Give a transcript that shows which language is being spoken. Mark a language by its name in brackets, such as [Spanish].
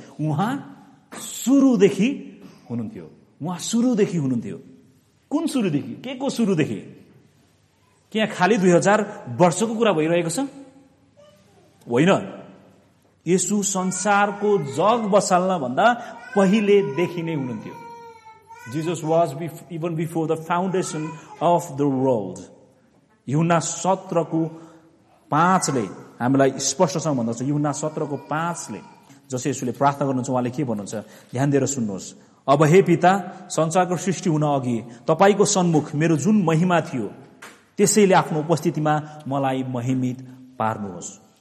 [Nepali] उहाँ सुरुदेखि हुनुहुन्थ्यो, उहाँ सुरुदेखि हुनुहुन्थ्यो। कुन सुरुदेखि? के को सुरुदेखि? के यहाँ खालि 2000 वर्षको कुरा भइरहेको छ? होइन, येशु संसारको जग बसाल्न भन्दा पहिलेदेखि नै हुनुहुन्थ्यो। [English] Jesus was even before the foundation of the world. [Nepali] Yuhanna 17 को 5 ले हामीलाई स्पष्टसँग भन्दछ Yuhanna 17 को 5 ले जसले यसले प्रार्थना गर्नुहुन्छ उहाँले के भन्नुहुन्छ ध्यान दिएर सुन्नुहोस् अब हे पिता संसारको सृष्टि हुन अघि तपाईको सम्मुख मेरो जुन महिमा थियो त्यसैले आफ्नो उपस्थितिमा मलाई महिमित पार्नुहोस्